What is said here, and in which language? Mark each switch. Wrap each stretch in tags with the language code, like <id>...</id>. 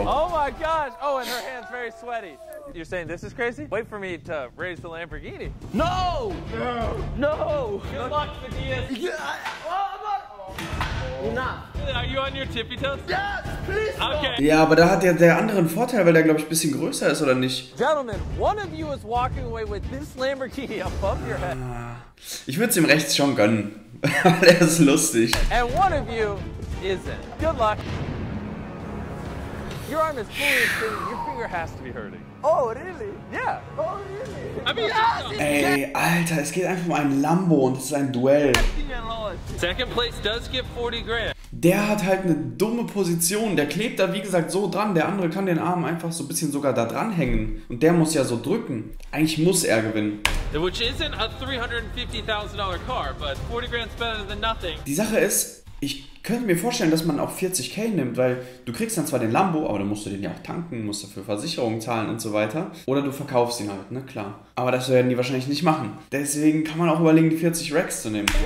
<en>Oh my gosh! Oh, and her hand's very sweaty. You're saying this is crazy? Wait for me to raise the Lamborghini. No! No! No! Good luck, Fadias! Yeah! Oh, I'm not... Enough. Are you on your tippy toes? Yes, please. Okay.</en> <de>Ja, aber da hat ja der andere einen Vorteil, weil der, glaube ich, ein bisschen größer ist, oder nicht?</de> <en>Gentlemen, one of you is walking away with this Lamborghini above your head.</en> <de>Ich würde es ihm rechts schon gönnen. Der ist lustig.</de> <en>And one of you isn't. Good luck. Your arm is fully extended. Your finger has to be hurting. Oh, really? Yeah. Oh, really? I mean, yes,</en> <de>ey, Alter, es geht einfach um ein Lambo und es ist ein Duell.</de> <en>Second place does get 40 grand.</en> <de>Der hat halt eine dumme Position. Der klebt da, wie gesagt, so dran. Der andere kann den Arm einfach so ein bisschen sogar da dran hängen. Und der muss ja so drücken. Eigentlich muss er gewinnen.</de> <en>Which isn't a $350,000 car, but 40 grand's better than nothing.</en> <de>Die Sache ist, ich könnte mir vorstellen, dass man auch 40k nimmt, weil du kriegst dann zwar den Lambo, aber dann musst du den ja auch tanken, musst dafür Versicherungen zahlen und so weiter. Oder du verkaufst ihn halt, ne, klar. Aber das werden die wahrscheinlich nicht machen. Deswegen kann man auch überlegen, die 40 Racks zu nehmen.</de>